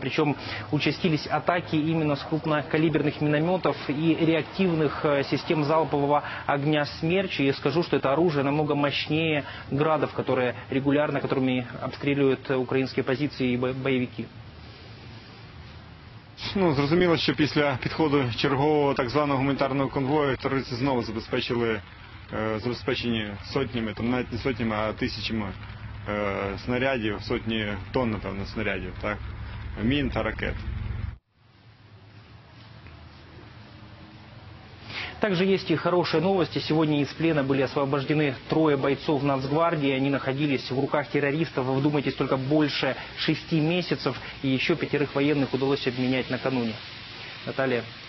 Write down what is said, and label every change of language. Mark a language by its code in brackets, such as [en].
[ru] Причем участились атаки именно с крупнокалиберных минометов и реактивных систем залпового огня «Смерч». И скажу, что это оружие намного мощнее градов, которые регулярно, которыми обстреливают украинские позиции и боевики. [uk] Ну, зрозуміло, що після підходу чергового так званого гуманітарного конвою терористи знову забезпечили забезпечені сотнями, там навіть не сотнями, а тисячами снарядів, сотні тонн, напевно, снарядів, так, мін та ракет. [ru] Также есть и хорошие новости. Сегодня из плена были освобождены трое бойцов Нацгвардии. Они находились в руках террористов, вдумайтесь, только больше 6 месяцев. И еще 5 военных удалось обменять накануне. Наталья.